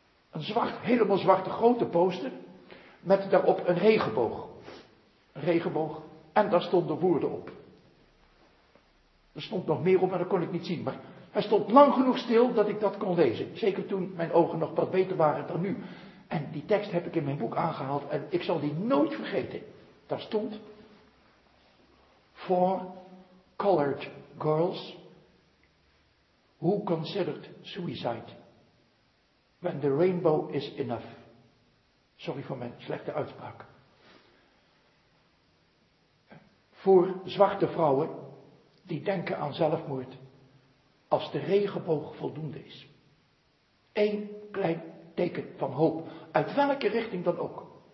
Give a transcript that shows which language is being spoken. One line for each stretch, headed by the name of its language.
Dutch: Een zwart, helemaal zwarte grote poster. Met daarop een regenboog. Een regenboog. En daar stonden woorden op. Er stond nog meer op, maar dat kon ik niet zien. Maar hij stond lang genoeg stil dat ik dat kon lezen. Zeker toen mijn ogen nog wat beter waren dan nu. En die tekst heb ik in mijn boek aangehaald. En ik zal die nooit vergeten. Daar stond:
English: For colored girls who considered suicide when the rainbow is enough.
Dutch: Sorry voor mijn slechte uitspraak. Voor zwarte vrouwen die denken aan zelfmoord als de regenboog voldoende is. 1 klein teken van hoop, uit welke richting dan ook.